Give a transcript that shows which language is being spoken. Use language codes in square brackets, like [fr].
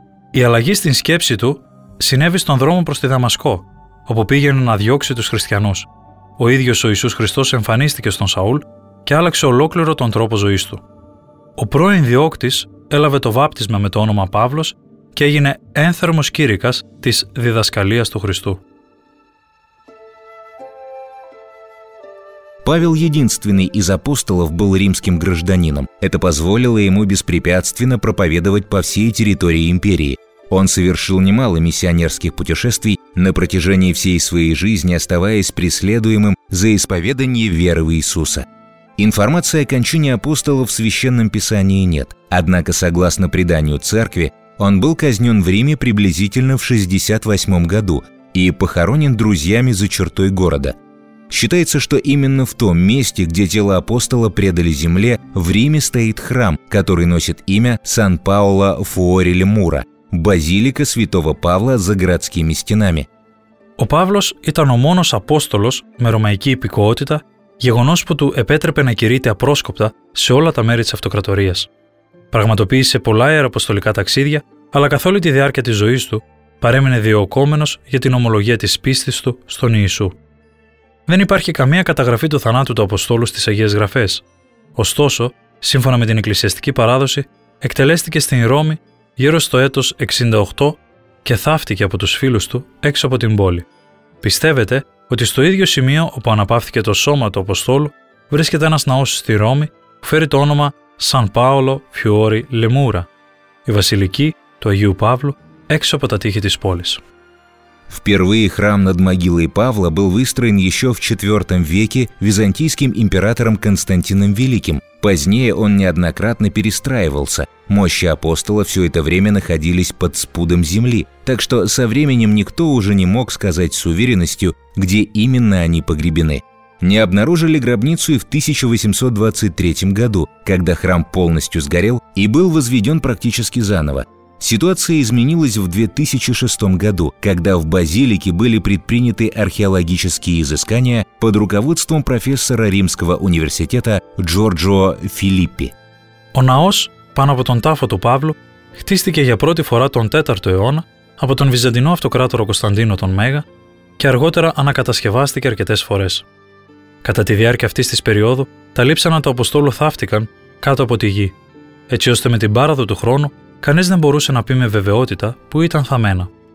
[el] Η αλλαγή στην σκέψη του συνέβη στον δρόμο προς τη Δαμασκό, όπου πήγαινε να διώξει τους χριστιανούς. Ο ίδιος ο Ιησούς Χριστός εμφανίστηκε στον Σαούλ και άλλαξε ολόκληρο τον τρόπο ζωής του. Ο πρώην διώκτης έλαβε το βάπτισμα με το όνομα Παύλος και έγινε ένθερμος κήρυκας της διδασκαλίας του Χριστού. [ru] Павел единственный из апостолов был римским гражданином. Это позволило ему беспрепятственно проповедовать по всей территории империи. Он совершил немало миссионерских путешествий на протяжении всей своей жизни, оставаясь преследуемым за исповедание веры в Иисуса. Информации о кончине апостола в Священном Писании нет. Однако, согласно преданию церкви, он был казнен в Риме приблизительно в 68 году и похоронен друзьями за чертой города. Считается, что именно в том месте, где тело апостола предали земле, в Риме стоит храм, который носит имя Сан-Паоло Фуори Лемура. Базилика святого Павла за городскими стенами. [el] Ο Παύλος ήταν ο μόνος Απόστολος με ρωμαϊκή υπηκότητα, γεγονός που του επέτρεπε να κηρύττει απρόσκοπτα σε όλα τα μέρη της αυτοκρατορίας. Πραγματοποίησε πολλά ιεραποστολικά ταξίδια, αλλά καθ' όλη τη διάρκεια της ζωής του παρέμεινε διωκόμενος για την ομολογία της πίστης του στον Ιησού. Δεν υπάρχει καμία καταγραφή του θανάτου του Αποστόλου στις Αγίες Γραφές. Ωστόσο, σύμφωνα με την εκκλησιαστική παράδοση, εκτελέστηκε στην Ρώμη γύρω στο έτος 68 και θάφτηκε από τους φίλους του έξω από την πόλη. Πιστεύεται ότι στο ίδιο σημείο όπου αναπαύθηκε το σώμα του Αποστόλου βρίσκεται ένας ναός στη Ρώμη που φέρει το όνομα Σαν Πάολο Φιόρι Λεμούρα, η βασιλική του Αγίου Παύλου έξω από τα τείχη της πόλης. [ru] Впервые храм над могилой Павла был выстроен еще в IV веке византийским императором Константином Великим. Позднее он неоднократно перестраивался. Мощи апостола все это время находились под спудом земли. Так что со временем никто уже не мог сказать с уверенностью, где именно они погребены. Не обнаружили гробницу и в 1823 году, когда храм полностью сгорел и был возведен практически заново. Ситуация изменилась в 2006 году, когда в базилике были предприняты археологические изыскания под руководством профессора Римского университета Джорджо Филиппи. [el] Ο ναός πάνω από τον τάφο του Παύλου χτίστηκε για πρώτη φορά τον 4ο αιώνα από τον Βυζαντινό αυτοκράτορα Κωνσταντίνο τον Μέγα και αργότερα ανακατασκευάστηκε αρκετές φορές. Κατά τη διάρκεια αυτής της περίοδου, τα λείψανα του Αποστόλου θάφτηκαν κάτω από τη γη, έτσι ώστε με την πάραδο του χρόνου κανείς δεν μπορούσε να πει με βεβαιότητα που ήταν θαμμένα.